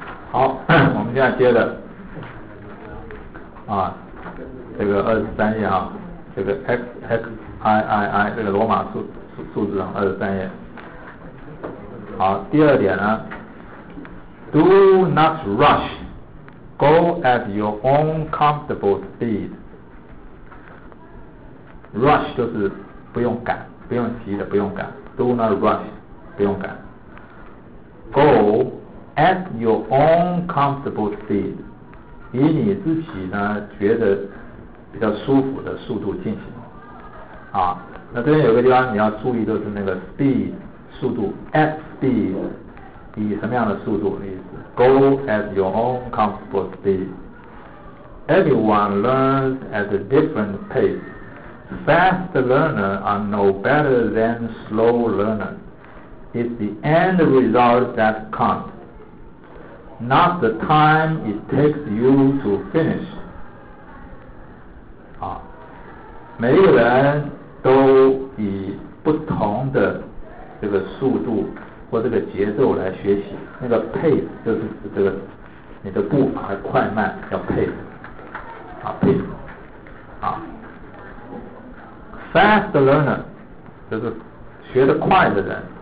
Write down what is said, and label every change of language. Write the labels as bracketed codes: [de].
[zh] 好，我们现在接着啊，这个23页啊，这个 XXIII 这个罗马数字啊，23页。好，第二点呢 [en] ，Do not rush, go at your own comfortable speed. [zh] Rush 就是不用赶，不用急的，不用赶。 [en] Do not rush, [zh] 不用赶。 [en] Go at your own comfortable speed， [zh] 以你自己呢觉得比较舒服的速度进行。啊，那这边有个地方你要注意，就是那个 speed 速度 ，at speed， 以什么样的速度的意思 ？ [en] Go at your own comfortable speed。 Everyone learns at a different pace. Fast learners are no better than slow learners. It's the end result that counts, not the time it takes you to finish. [zh] 啊，每一个人都以不同的这个速度或这个节奏来学习，那个 pace 就是这个你的步伐快慢叫 pace。啊 ，pace。啊 ，fast learner 就是学得快的人。